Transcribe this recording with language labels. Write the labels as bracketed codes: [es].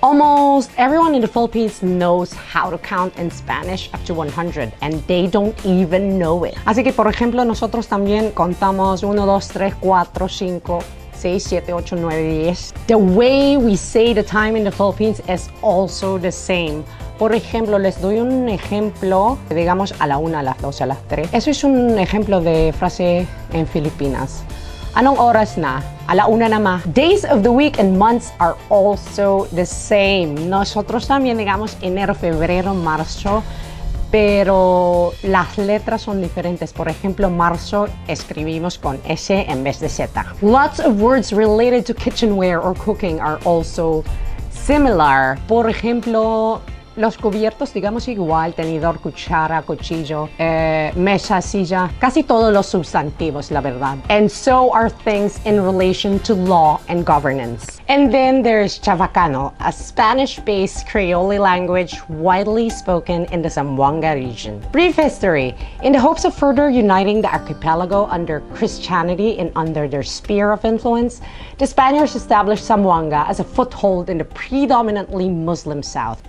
[en] Almost everyone in the Philippines knows how to count in Spanish up to 100, and they don't even know it. [es] Así que, por ejemplo, nosotros también contamos 1, 2, 3, 4, 5, 6, 7, 8, 9, 10. [en] The way we say the time in the Philippines is also the same. [es] Por ejemplo, les doy un ejemplo, digamos a la 1, a las 2, a las 3. Eso es un ejemplo de frase en Filipinas. [tl] Anong oras na? A la una na ma. [en] Days of the week and months are also the same. [es] Nosotros también digamos enero, febrero, marzo, pero las letras son diferentes. Por ejemplo, marzo escribimos con S en vez de Z. [en] Lots of words related to kitchenware or cooking are also similar. [es] Por ejemplo, los cubiertos, digamos igual, tenedor, cuchara, cuchillo, mesa, silla, casi todos los sustantivos, la verdad. [en] And so are things in relation to law and governance. And then there's Chavacano, a Spanish-based Creole language widely spoken in the Zamboanga region. Brief history. In the hopes of further uniting the archipelago under Christianity and under their sphere of influence, the Spaniards established Zamboanga as a foothold in the predominantly Muslim South.